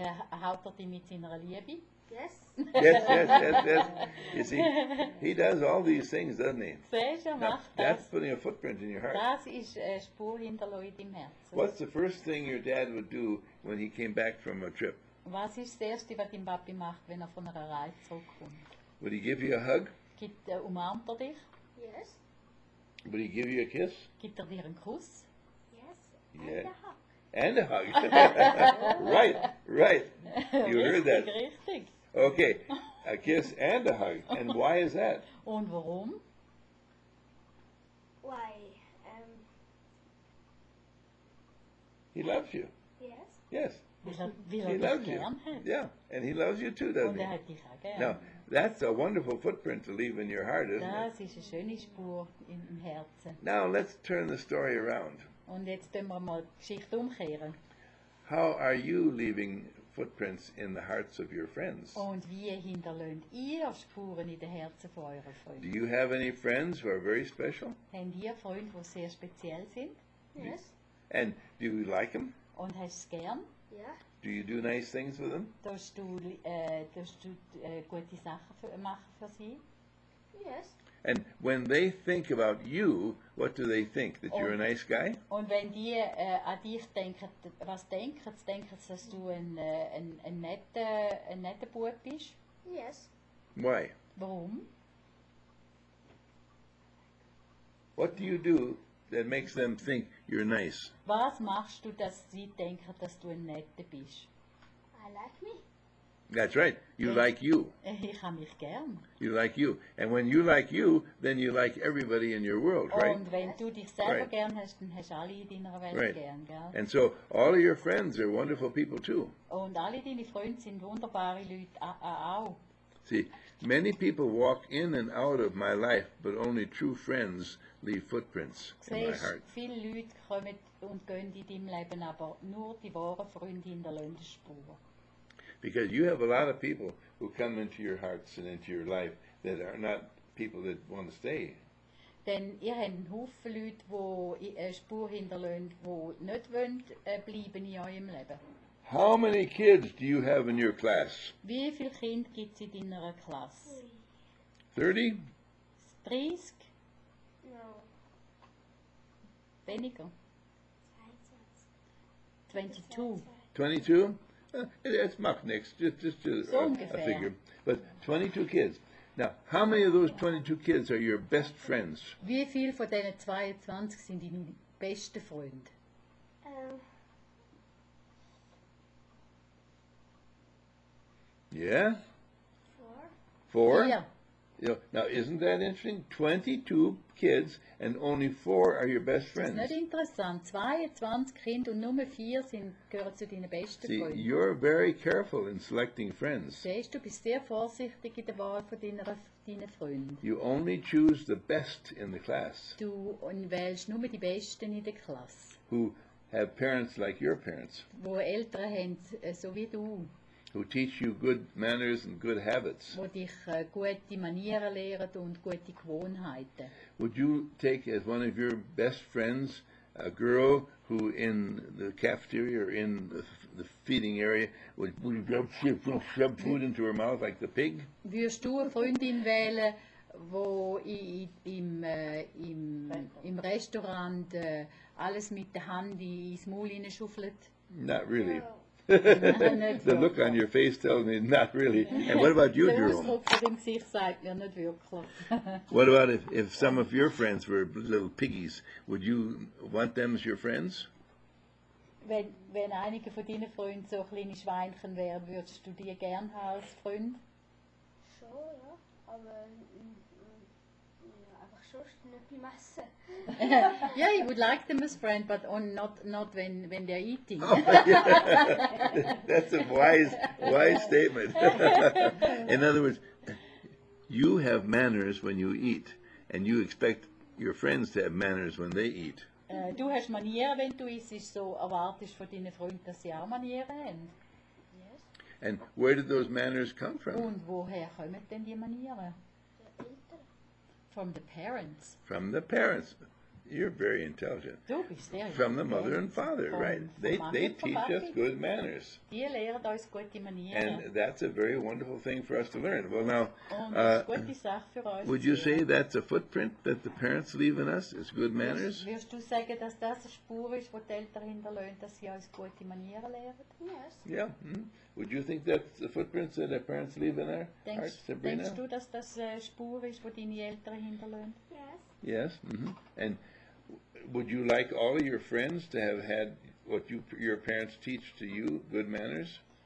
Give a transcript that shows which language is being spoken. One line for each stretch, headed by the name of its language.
German: Haut dich mit seiner Liebe.
English: Yes. Yes. You see, he does all these things, doesn't he? That's putting a footprint in your heart.
German: Das ist eine Spur hinterlassen in deinem Herzen.
English: What's the first thing your dad would do when he came back from a trip?
German: Was ist das Erste, was dein Papi macht, wenn von einer Reise zurückkommt?
English: Would he give you a hug?
German: Umarmt dich?
English: Yes. Would he give you a kiss?
German: Gibt dir einen Kuss?
English: Yes. Yeah. And a hug. And a hug. right. You heard that.
German: Richtig.
English: Okay. A kiss and a hug. And why is that?
German: Und warum?
English: Why? He loves you. Yes. He loves you. Yeah. And he loves you too, doesn't he?
German: Und dich auch gern.
English: Now, that's a wonderful footprint to leave in your heart, isn't
German: das
English: it?
German: Das ist eine schöne Spur im Herzen.
English: Now, let's turn the story around.
German: Und jetzt tun wir mal die Geschichte umkehren.
English: How are you leaving footprints in the hearts of your friends?
German: Und wie hinterlässt ihr Spuren in den Herzen von euren Freunden?
English: Do you have any friends who are very special?
German: Habt ihr Freunde, die sehr speziell sind?
English: Yes. And do you like them?
German: Und hast du es gern? Ja. Yeah.
English: Do you do nice things with them?
German: Tust du gute Sachen machen für sie?
English: Yes. And when they think about you, what do they think? That you're a nice guy?
German: Und wenn die an dich denken, was denken sie, dass du ein netter Bub bist?
English: Yes. Why?
German: Warum?
English: What do you do that makes them think you're nice?
German: Was machst du, dass sie denken, dass du ein netter bist?
English: I like me. That's right. You like you.
German: Ich hab mich gern.
English: You like you. And when you like you, then you like everybody in your world, right?
German: Und wenn du dich selber gern hast, dann hast alle in deiner Welt gern, gell?
English: And so all of your friends are wonderful people too.
German: Und alle deine Freunde sind wunderbare Leute auch.
English: See, many people walk in and out of my life, but only true friends leave footprints in my heart.
German: Viele Leute kommen und gehen in deinem Leben, aber nur die wahren Freunde hinterlassen die Spur.
English: Because you have a lot of people who come into your hearts and into your life that are not people that want to stay.
German: Denn ihr habt einen Haufen Leute, wo Spur hinterlassen, wo nicht wollen bleiben in eurem Leben.
English: How many kids do you have in your class?
German: Wie viele Kinder gibt es in deiner Klasse?
English: 30? 30? No.
German: Weniger?
English: 22. 22? It's much next, just a figure. But 22 kids. Now, how many of those 22 kids are your best friends?
German: Wie viel von deinen 22 sind deine besten Freunde?
English: Yeah? Four? Yeah. Now, isn't that interesting? 22 kids and only four are your best friends.
German: Das ist nicht interessant. 22 Kinder und nur 4 gehören zu deinen besten Freunden.
English: See, you're very careful in selecting friends.
German: Siehst, du bist sehr vorsichtig in der Wahl von deinen Freunden.
English: You only choose the best in the class.
German: Du wählst nur die Besten in der Klasse.
English: Who have parents like your parents.
German: Wo Eltern haben, so wie du.
English: Who teach you good manners and good habits.
German: Wo dich gute Manieren lehren und gute Gewohnheiten.
English: Would you take as one of your best friends a girl who in the cafeteria or in the feeding area would shove food into her mouth like the pig?
German: Würdest du eine Freundin wählen, wo im Restaurant alles mit der Hand ins Maul hineinschuffelt?
English: Not really. The look on your face tells me not really. And what about you, Jerome? What about if some of your friends were little piggies? Would you want them as your friends?
German: Wenn einige von deinen Freunden so kleine Schweinchen wären, würdest du die gern haben als Freund? Schon, ja. Aber einfach schon nicht die Masse.
English: Yeah, you would like them as friend, but not when they're eating. Oh, yeah. That's a wise statement. In other words, you have manners when you eat, and you expect your friends to have manners when they eat.
German: Du hast Manieren, wenn du isst, so erwartest von deinen Freunden, dass sie auch Manieren haben.
English: Yes. And where did those manners come from?
German: Und woher kommen denn die Manieren?
English: From the parents. From the parents. You're very intelligent.
German: Du bist sehr
English: from the mother and father, right? They teach us good manners.
German: Die lehren uns gute Manieren.
English: And that's a very wonderful thing for us to learn. Well, now,
German: gute Sache für uns
English: would you sehen. Say that's a footprint that the parents leave in us, is good manners?
German: Wirst du sagen, dass das eine Spur ist, wo die Eltern hinterlassen, dass sie uns gute Manieren lehren?
English: Yes. Yeah. Would you think that's the footprints that the parents leave in their hearts, Sabrina?
German: Denkst du, dass das eine Spur ist, wo deine Eltern hinterlassen?
English: Yes. Yes. Mm-hmm. And would you like all of your friends to have had what you your parents teach to you, good manners?